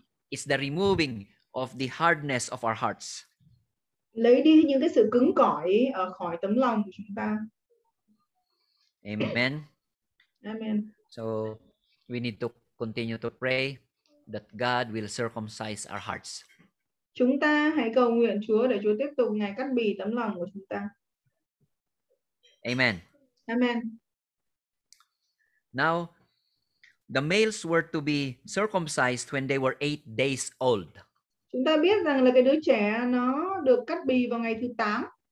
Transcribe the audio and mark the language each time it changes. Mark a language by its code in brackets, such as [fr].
[en] It's the removing of the hardness of our hearts. [vi] Lấy đi những cái sự cứng cỏi ở khỏi tấm lòng của chúng ta. [en] Amen. Amen. So we need to continue to pray that God will circumcise our hearts. [vi] Chúng ta hãy cầu nguyện Chúa để Chúa tiếp tục ngày cắt bì tấm lòng của chúng ta. [en] Amen. Amen. Now, the males were to be circumcised when they were 8 days old. [vi] Chúng ta biết rằng là cái đứa trẻ nó được cắt bì vào ngày thứ 8.